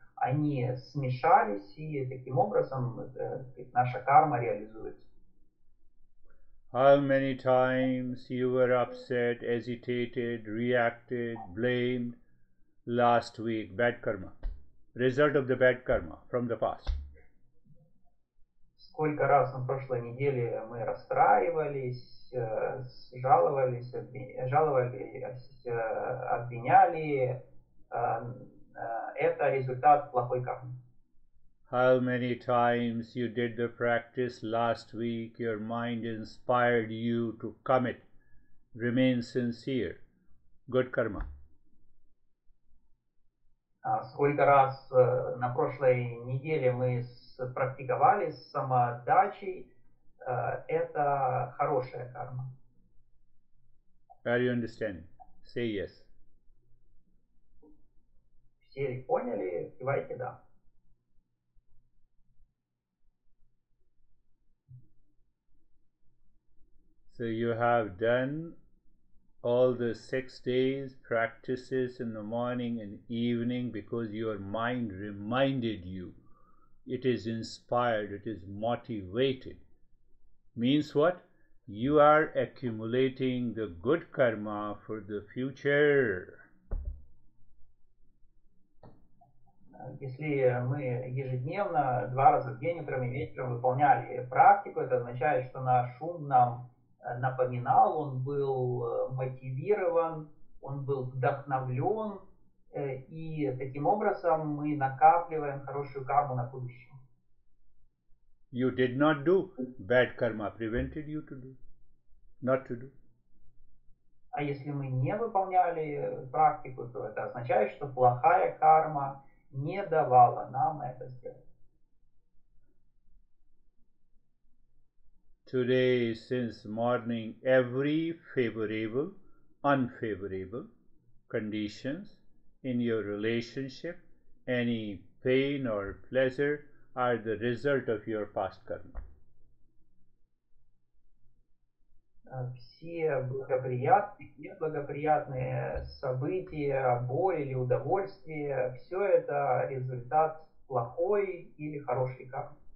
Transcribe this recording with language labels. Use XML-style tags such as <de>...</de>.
<ru>Они смешались, и таким образом наша карма реализуется.</ru> <en>How many times you were upset, hesitated, reacted, blamed last week? Bad karma. Result of the bad karma from the past.</en> <ru>Сколько раз на прошлой неделе мы расстраивались, жаловались, жаловались, обвиняли. Это результат плохой кармы.</ru> <en>How many times you did the practice last week, your mind inspired you to commit, remain sincere, good karma.</en> <ru>Сколько раз на прошлой неделе мы практиковали самоотдачи, это хорошая карма.</ru> <en>Are you understanding? Say yes.</en> <ru>Все поняли, кивайте да.</ru> <en>So you have done all the 6 days practices in the morning and evening because your mind reminded you. It is inspired, it is motivated. Means what? You are accumulating the good karma for the future.</en> <ru>Если мы ежедневно, два раза в день, утром и вечером выполняли практику, это означает, что наш ум нам напоминал, он был мотивирован, он был вдохновлен, и таким образом мы накапливаем хорошую карму на будущее.</ru> <en>You did not do, bad karma prevented you to do, not to do.</en> <ru>А если мы не выполняли практику, то это означает, что плохая карма не давала нам это сделать.</ru> <en>Today, since morning, every favorable, unfavorable conditions in your relationship, any pain or pleasure, are the result of your past karma.</en> <ru>Все благоприятные, неблагоприятные события, боль или удовольствие, все это результат плохой или хорошей кармы.</ru>